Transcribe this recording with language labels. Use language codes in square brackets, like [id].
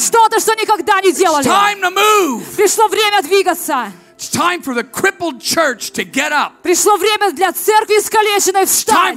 [ru] Что-то, что никогда не делали. [en] It's time to move. [ru] Пришло время двигаться. [en] It's time for the crippled church to get up. [ru] Пришло время для церкви искалеченной встать.